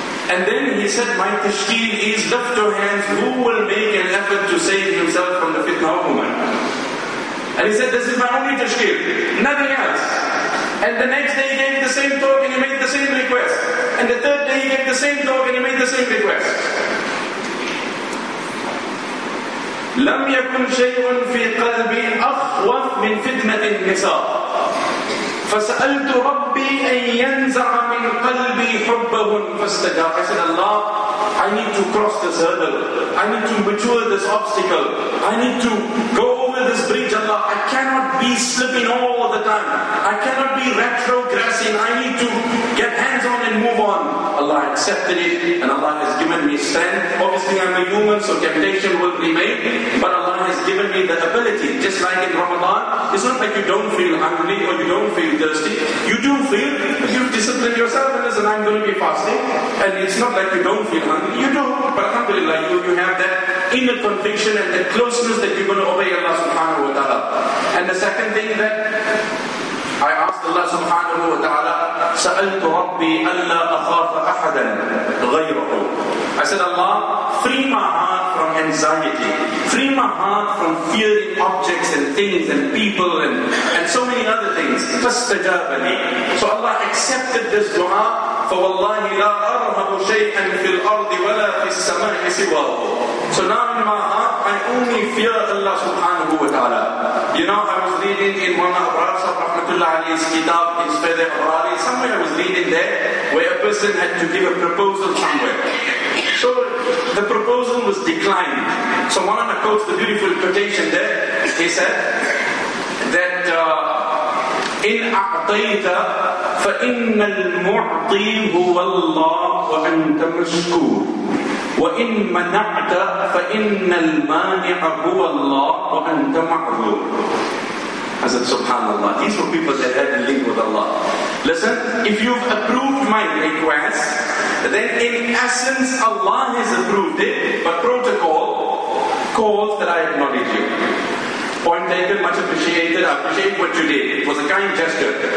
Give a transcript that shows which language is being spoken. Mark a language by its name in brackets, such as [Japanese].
[English] And then he said, my tashkeel is, lift your hands, who will make an effort to save himself from the fitna of woman? And he said, this is my only tashkil, nothing else. And the next day he gave the same talk and he made the same request. And the third day he gave the same talk and he made the same request. [Arabic] لم يكن شيء في قلبي أخوف من فتنة النساء. فسألت ربي أن ينزع من قلبي حبه فاستجاب. [English] I said, Allah, I need to cross this hurdle. I need to mature this obstacle. I need to go over this bridge, Allah. I cannot be slipping all the time. I cannot be retrogressing. I need to get hands on and move on. Allah accepted it and Allah has given me strength. Obviously, I'm a human, so temptation will be made. But Allah has given me the ability. Just like in Ramadan, it's not like you don't feel hungry or you don't feel thirsty. You do feel, but you've disciplined yourself and listen, I'm going to be fasting. And it's not like you don't feel hungry. You do, but alhamdulillah, you have that inner conviction and that closeness that you're going to obey Allah subhanahu wa ta'ala. And the second thing that I asked Allah subhanahu wa ta'ala, [Arabic] سألت ربي ألا أخاف أحدا غيره. [English] I said, Allah, free my heart from anxiety. Free my heart from fearing objects and things and people and so many other things. [Arabic] فاستجاب لي. [English] So Allah accepted this dua. [Arabic] فوالله لا أرهب شيئا في الأرض ولا في السماء سواه. [English] So now in my heart, I only fear Allah subhanahu wa ta'ala. You know, I was reading in one of Rasul Rahmatullah Ali's kitab, his Fadha Harari, somewhere I was reading there, where a person had to give a proposal somewhere. So the proposal was declined. So one of the quotes, the beautiful quotation there, he said that in [Arabic] أَعْطَيْتَ فَإِنَّ الْمُعْطِي هُوَ اللَّهُ وَأَنْتَ مَشْكُورٌ وَإِن مَنَعْتَ فَإِنَّ الْمَانِعَ هُوَ اللَّهُ وَأَنْتَ مَعْذُورٌ. [English] I said, subhanAllah, these were people that had a link with Allah. Listen, if you've approved my request, then in essence Allah has approved it, but protocol calls that I acknowledge you. Point taken, much appreciated. I appreciate what you did. It was a kind gesture.